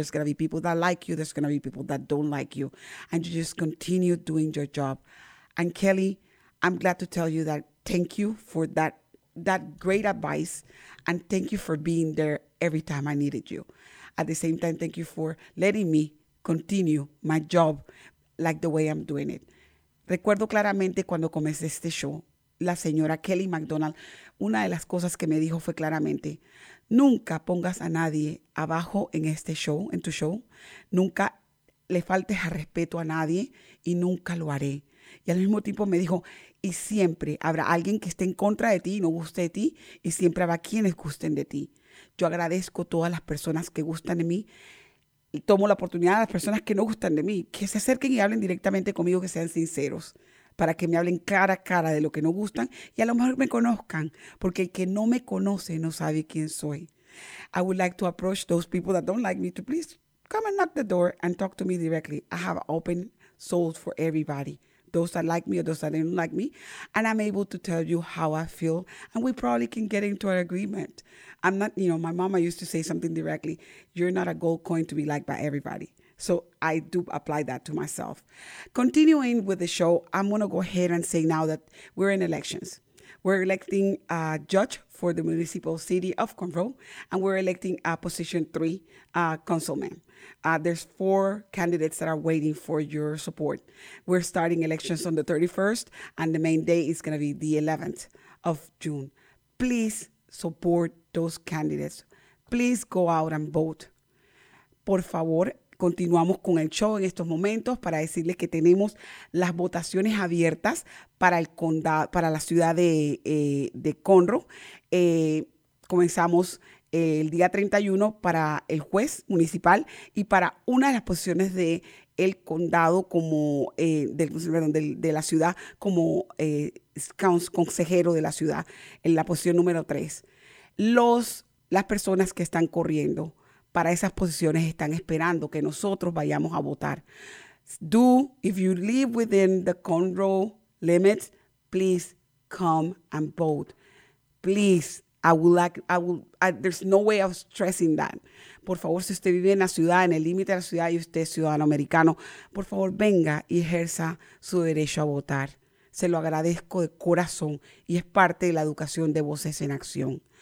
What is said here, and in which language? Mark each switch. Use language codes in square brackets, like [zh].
[en] There's going to be people that like you. There's going to be people that don't like you. And you just continue doing your job. And Kelly, I'm glad to tell you that thank you for that great advice. And thank you for being there every time I needed you. At the same time, thank you for letting me continue my job like the way I'm doing it. [es] Recuerdo claramente cuando comencé este show, la señora Kelly McDonald, una de las cosas que me dijo fue claramente, nunca pongas a nadie abajo en este show, en tu show. Nunca le faltes a respeto a nadie y nunca lo haré. Y al mismo tiempo me dijo, y siempre habrá alguien que esté en contra de ti y no guste de ti y siempre habrá quienes gusten de ti. Yo agradezco todas las personas que gustan de mí y tomo la oportunidad de las personas que no gustan de mí, que se acerquen y hablen directamente conmigo, que sean sinceros, para que me hablen cara a cara de lo que no gustan y a lo mejor me conozcan, porque el que no me conoce no sabe quién soy. [en] I would like to approach those people that don't like me to please come and knock the door and talk to me directly. I have open souls for everybody. Those that like me or those that don't like me. And I'm able to tell you how I feel. And we probably can get into an agreement. I'm not, you know, my mama used to say something directly. You're not a gold coin to be liked by everybody. So I do apply that to myself. Continuing with the show, I'm going to go ahead and say now that we're in elections. We're electing a judge for the municipal city of Conroe. And we're electing a position 3 councilman. There's 4 candidates that are waiting for your support. We're starting elections on the 31st, and the main day is going to be the 11th of June. Please support those candidates. Please go out and vote. [es] Por favor, continuamos con el show en estos momentos para decirles que tenemos las votaciones abiertas para el condado, para la ciudad de Conroe. Comenzamos el día 31 para el juez municipal y para una de las posiciones de el condado como de la ciudad como consejero de la ciudad en la posición número 3. Las personas que están corriendo para esas posiciones están esperando que nosotros vayamos a votar. [en] If you live within the Conroe limits, please come and vote. Please, there's no way of stressing that. [es] Por favor, si usted vive en la ciudad, en el límite de la ciudad y usted es ciudadano americano, por favor, venga y ejerza su derecho a votar. Se lo agradezco de corazón y es parte de la educación de Voces en Acción.